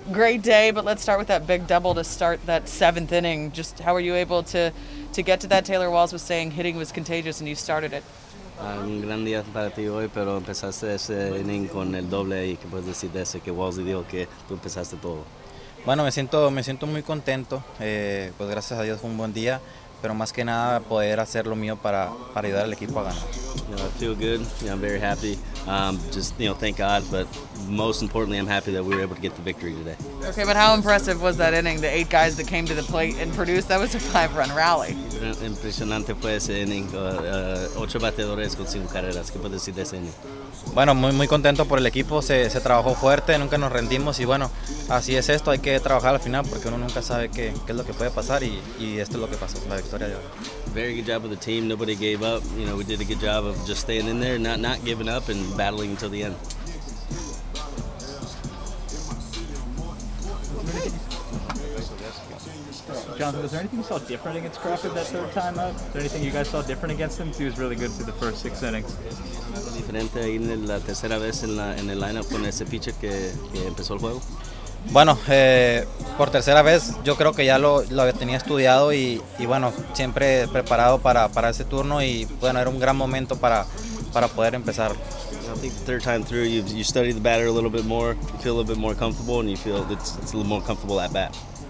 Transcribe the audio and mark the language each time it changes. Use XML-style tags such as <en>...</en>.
<en>great day, but let's start with that big double to start that seventh inning. Just how were you able to get to that? Taylor Walls was saying hitting was contagious, and you started it.</en> <es>Un gran día para ti hoy, pero empezaste ese inning con el doble y que puedes decir de ese que Walls dijo que tú empezaste todo. Bueno, me siento muy contento. Pues gracias a Dios fue un buen día, pero más que nada poder hacer lo mío para ayudar al equipo a ganar.</es> <en>You know, I feel good. Yeah, I'm very happy. Just, you know, thank God. But most importantly, I'm happy that we were able to get the victory today. Okay, but how impressive was that inning? The eight guys that came to the plate and produced, that was a five-run rally.</en> <es>Impresionante fue ese inning. Ocho bateadores con cinco carreras. ¿Qué puedes decir de ese inning? Bueno, muy, muy contento por el equipo. Se trabajó fuerte. Nunca nos rendimos. Y bueno, así es esto. Hay que trabajar al final porque uno nunca sabe qué es lo que puede pasar. Y esto es lo que pasó, la victoria de hoy.</es> <en>Very good job with the team. Nobody gave up. You know, we did a good job of just staying in there, not giving up, and battling until the end. Jonathan, was there anything you saw different against Crawford that third time up? Is there anything you guys saw different against him? He was really good through the first six innings.</en> <es>Diferente ahí en la tercera vez en el lineup con ese pitcher que empezó el juego. Bueno, por tercera vez yo creo que ya lo tenía estudiado y bueno, siempre preparado para ese turno y bueno, era un gran momento para poder empezar.</es> <en>I think the third time through you studied the batter a little bit more, you feel a little bit more comfortable and you feel it's a little more comfortable at bat.</en>